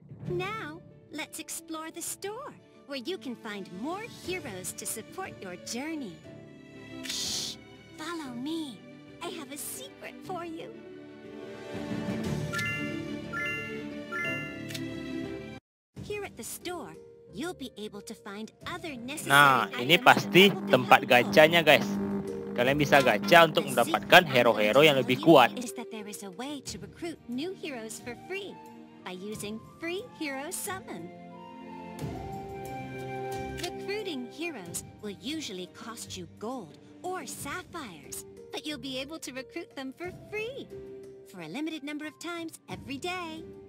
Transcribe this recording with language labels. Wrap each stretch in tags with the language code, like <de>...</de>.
<en>Now, let's explore the store, where you can find more heroes to support your journey. Shh! Follow me. I have a secret for you. Here at the store, you'll be able to find other necessary items.</en> <id>Nah, ini pasti tempat gacanya, guys. Kalian bisa gacha untuk mendapatkan hero-hero yang lebih kuat.</id> <en>Is that there is a way to recruit new heroes for free by using free hero summon. Recruiting heroes will usually cost you gold or sapphires, but you'll be able to recruit them for free for a limited number of times every day.</en>